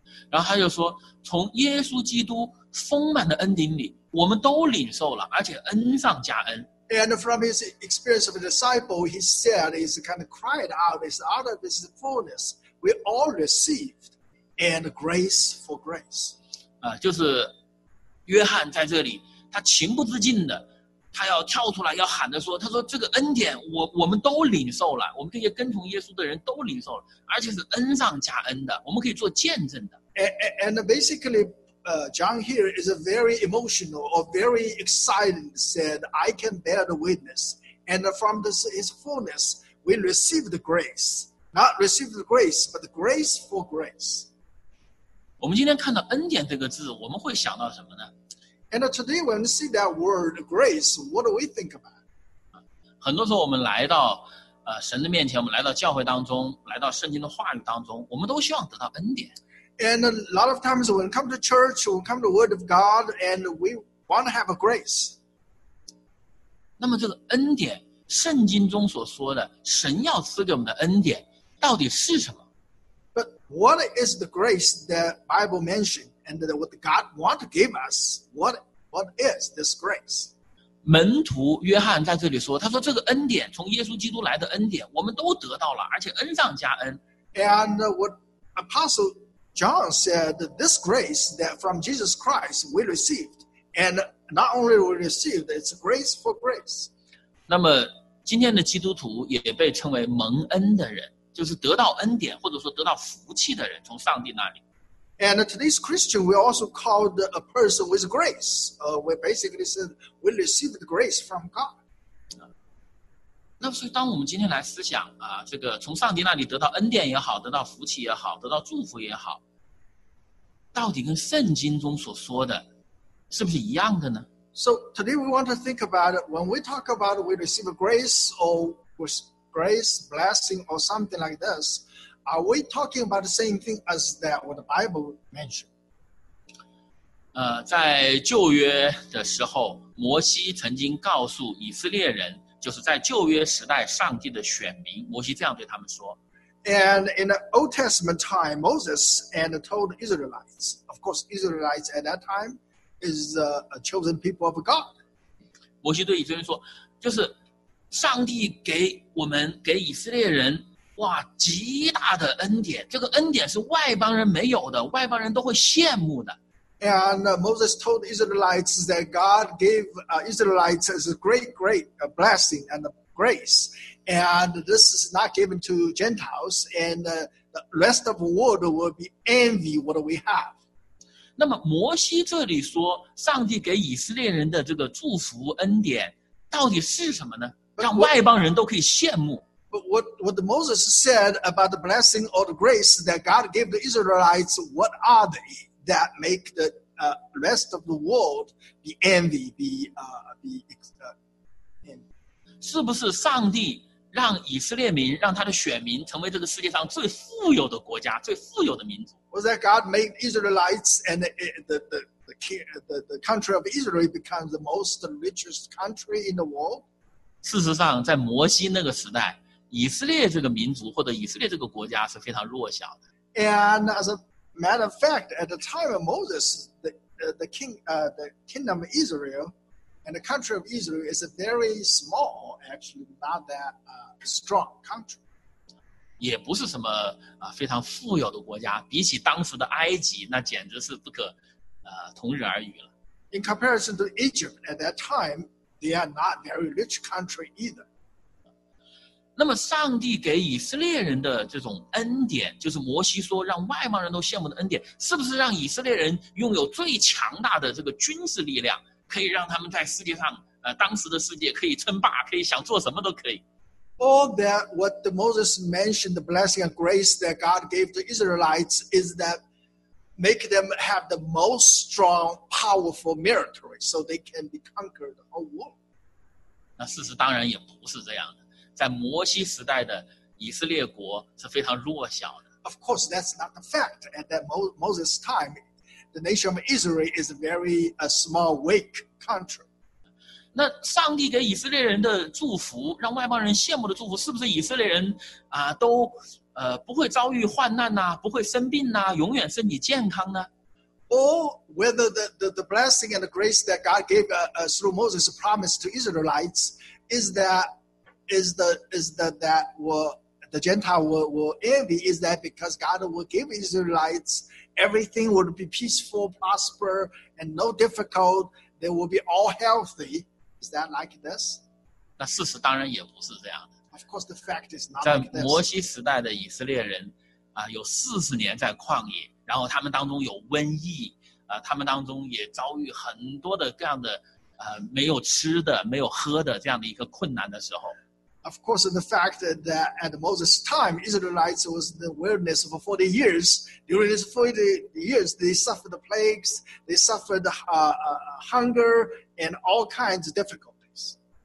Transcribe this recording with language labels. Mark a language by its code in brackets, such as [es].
[zh] 然后他就说，从耶稣基督丰满的恩典里，我们都领受了，而且恩上加恩。 [en] And from his experience of a disciple, he said, he's kind of cried out, it's out of his fullness, we all received, and grace for grace. [zh] 就是约翰在这里，他情不自禁的，他要跳出来，要喊着说，他说这个恩典我们都领受了，我们这些跟从耶稣的人都领受了，而且是恩上加恩的，我们可以做见证的。 [en] And basically,John here is a very emotional or very excited, said, I can bear the witness. And from this, his fullness, we receive the grace. Not receive the grace, but the grace for grace. [zh] 我们今天看到恩典这个字，我们会想到什么呢？ [en] And today when we see that word, grace, what do we think about? [zh] 很多时候我们来到神的面前，我们来到教会当中，来到圣经的话语当中，我们都希望得到恩典。 [en] And a lot of times when we come to church, we come to the word of God, and we want to have a grace. [zh] 那么这个恩典，圣经中所说的，神要赐给我们的恩典，到底是什么？ [en] But what is the grace that the Bible mentioned, and what God wants to give us? What is this grace? [zh] 门徒约翰在这里说，他说这个恩典，从耶稣基督来的恩典，我们都得到了，而且恩上加恩。 [en] And what Apostle... John said that this grace that from Jesus Christ we received, and not only we received, it's grace for grace. [zh] 那么今天的基督徒也被称为蒙恩的人，就是得到恩典或者说得到福气的人，从上帝那里。 [en] And today's Christian, we also called a person with grace. We basically said we received the grace from God. [zh] 那么所以当我们今天来思想啊，这个从上帝那里得到恩典也好，得到福气也好，得到祝福也好，到底跟圣经中所说的是不是一样的呢？ [en] So today we want to think about it. When we talk about we receive a grace or grace, blessing or something like this, are we talking about the same thing as that what the Bible mentioned? [zh] 在旧约的时候，摩西曾经告诉以色列人，就是在旧约时代上帝的选民，摩西这样对他们说。 [en] And in the Old Testament time, Moses and told Israelites, of course, Israelites at that time is a chosen people of God. [zh] 摩西对以色列人说，就是上帝给我们给以色列人哇极大的恩典，这个恩典是外邦人没有的，外邦人都会羡慕的。 [en] And Moses told Israelites that God gave Israelites a great blessing and a grace. And this is not given to Gentiles. And the rest of the world will be envy what we have. [zh] 那么摩西这里说上帝给以色列人的这个祝福恩典到底是什么呢？让外邦人都可以羡慕。 [en] But what Moses said about the blessing or the grace that God gave the Israelites, what are they? That make the rest of the world be envy, be [zh] 是不是上帝让以色列民让他的选民成为这个世界上最富有的国家最富有的民族 [en] Was that God made Israelites and the country of Israel become the most richest country in the world? [zh] 事实上在摩西那个时代以色列这个民族或者以色列这个国家是非常弱小的 [en] And as aMatter of fact, at the time of Moses, the kingdom of Israel and the country of Israel is a very small, actually not that strong country. [zh] 也不是什么非常富有的国家，比起当时的埃及，那简直是不可同日而语了。 [en] In comparison to Egypt at that time, they are not very rich country either. [zh] 那么上帝给以色列人的这种恩典就是摩西说让外邦人都羡慕的恩典是不是让以色列人拥有最强大的这个军事力量可以让他们在世界上当时的世界可以称霸可以想做什么都可以 [en] All that what the Moses mentioned the blessing and grace that God gave to Israelites is that make them have the most strong powerful military so they can be conquered the whole world [zh] 那事实当然也不是这样的在摩西时代的以色列国是非常弱小的。 [en] Of course, that's not the fact. At that Moses' time, the nation of Israel is a very small, weak country. [zh] 那上帝给以色列人的祝福，让外邦人羡慕的祝福，是不是以色列人都不会遭遇患难呐、啊，不会生病呐、啊，永远身体健康呢？ [en] or whether the blessing and the grace that God gave through Moses promised to Israelites is that the Gentile will envy, is that because God will give Israelites everything would be peaceful, prosper, and no difficult, they will be all healthy. Is that like this? [zh] 那事实当然也不是这样的。 [en] Of course, the fact is not like [zh] 在摩西时代的以色列人有40年在旷野，然后他们当中有瘟疫，他们当中也遭遇很多的各样的没有吃的，没有喝的这样的一个困难的时候。 [en] Of course, the fact that at Moses' time, Israelites was in the wilderness for 40 years. During these 40 years, they suffered the plagues, they suffered hunger, and all kinds of difficulties.